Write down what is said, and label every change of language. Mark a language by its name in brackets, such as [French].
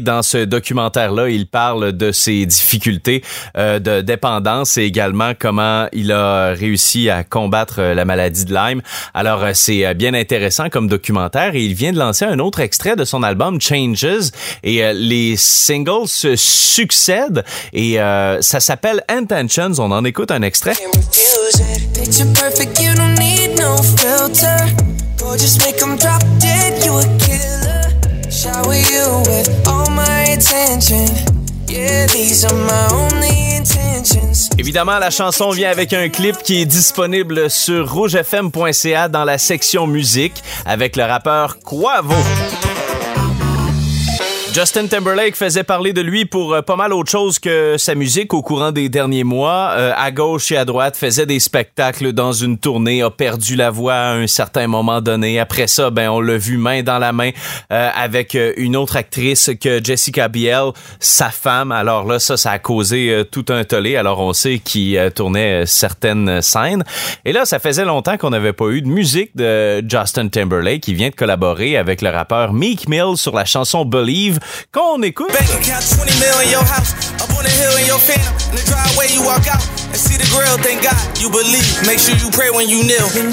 [French] Dans ce documentaire-là, il parle de ses difficultés de dépendance et également comment il a réussi à combattre la maladie de Lyme. Alors, c'est bien intéressant comme documentaire et il vient de lancer un autre extrait de son album Changes et les singles se succèdent et ça s'appelle Intentions. On en écoute un extrait. [English] Picture perfect, you don't need no filter. Or just make them drop dead, you a killer. Shower you with all my attention. Yeah, these are my only intentions. [French] Évidemment, la chanson vient avec un clip qui est disponible sur rougefm.ca dans la section musique avec le rappeur Quavo. Justin Timberlake faisait parler de lui pour pas mal autre chose que sa musique au courant des derniers mois. À gauche et à droite, faisait des spectacles dans une tournée, a perdu la voix à un certain moment donné. Après ça, ben on l'a vu main dans la main avec une autre actrice que Jessica Biel, sa femme. Alors là, ça a causé tout un tollé. Alors on sait qu'il tournait certaines scènes. Et là, ça faisait longtemps qu'on n'avait pas eu de musique de Justin Timberlake qui vient de collaborer avec le rappeur Meek Mill sur la chanson Believe. Quand on écoute [English] Bank account 20 million in your house, up on the hill in your phantom, in the driveway you walk out and see the grill, thank God you believe. Make sure you pray when you kneel.